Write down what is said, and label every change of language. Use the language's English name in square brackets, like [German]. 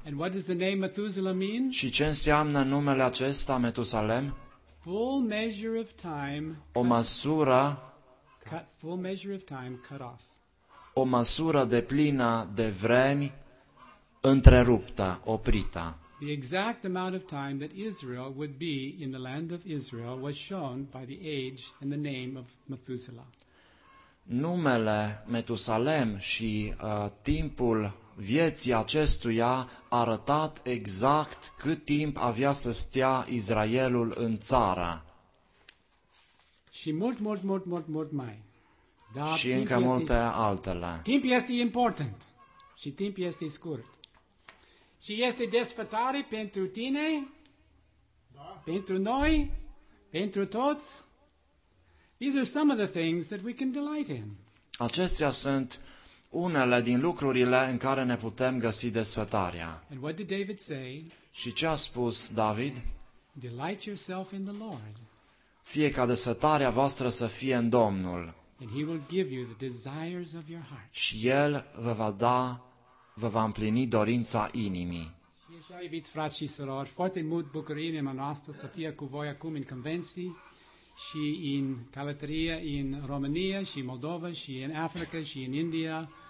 [English] And what does the name Methuselah mean? [Romanian] Și ce înseamnă numele acesta Metusalem? [English] Full measure of time. [Romanian] O măsură. [English] Full measure of time cut off. [Romanian] O măsură deplină de vremi întreruptă, oprită. [English] The exact amount of time that Israel would be in the land of Israel was shown by the age and the name of Methuselah. [Romanian] Numele Metusalem și timpul vieții acestuia arătat exact cât timp avea să stea Israelul în țară. Și mult, mult, mult, mult, mult mai. Dar și încă multe altele. Timp este important și timp este scurt. Și este desfătare pentru tine, pentru noi, pentru toți. [English] These are some of the things that we can delight in. [Romanian] Acestea sunt unele din lucrurile în care ne putem găsi desfătarea. [English] And what did David say? [Romanian] Și ce a spus David? [English] Delight yourself in the Lord. [Romanian] Fie ca desfătarea voastră să fie în Domnul. [English] And he will give you the desires of your heart. [Romanian] Și el vă va da, vă va împlini dorința inimii. Și așa, iubiți frați și surori, foarte mult bucurie inima noastră să fie cu voi acum în convenții. și în călătorie în România și Moldova și în Africa și în India.